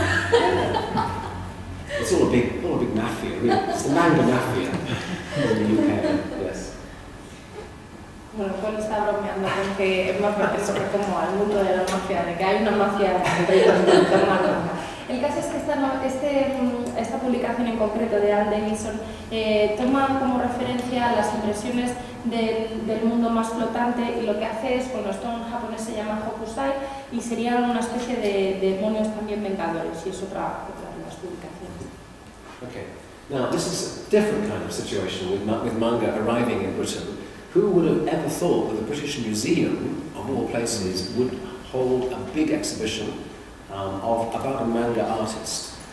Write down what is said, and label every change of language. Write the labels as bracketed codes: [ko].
[en] It's all a big mafia, really. It's the manga mafia in the UK. [es] Bueno, Paul está bromeando con que es más gracioso que como al mundo de la mafia, de que hay una mafia interna. El caso es que esta publicación en concreto de Al Davidson toma como referencia las impresiones del mundo más flotante y lo que hace es, bueno, esto en japonés se llama Hokusai y serían una especie de demonios también vengadores, y es otra de las publicaciones. [en] Okay. Now, this is a different kind of situation with manga arriving in Britain. Who would have ever thought that the British Museum, of all places, would hold a big exhibition about a manga artist?